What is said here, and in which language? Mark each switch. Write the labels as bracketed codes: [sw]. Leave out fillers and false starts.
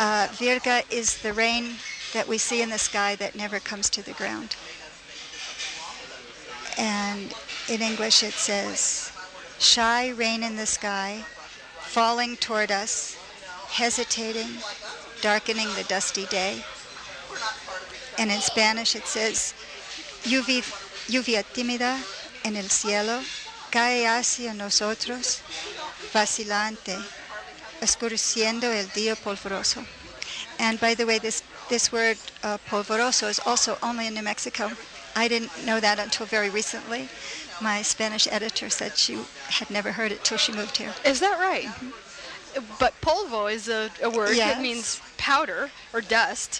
[en] Virga is the rain that we see in the sky that never comes to the ground. And in English it says, shy rain in the sky, falling toward us, hesitating, darkening the dusty day. And in Spanish it says, [es] lluvia tímida en el cielo, cae hacia nosotros, vacilante, oscureciendo el día polvoroso. [en] And by the way, this word polvoroso is also only in New Mexico. I didn't know that until very recently. My Spanish editor said she had never heard it till she moved here. Is that right? Mm-hmm. But polvo is a word. Yes. It means powder or dust.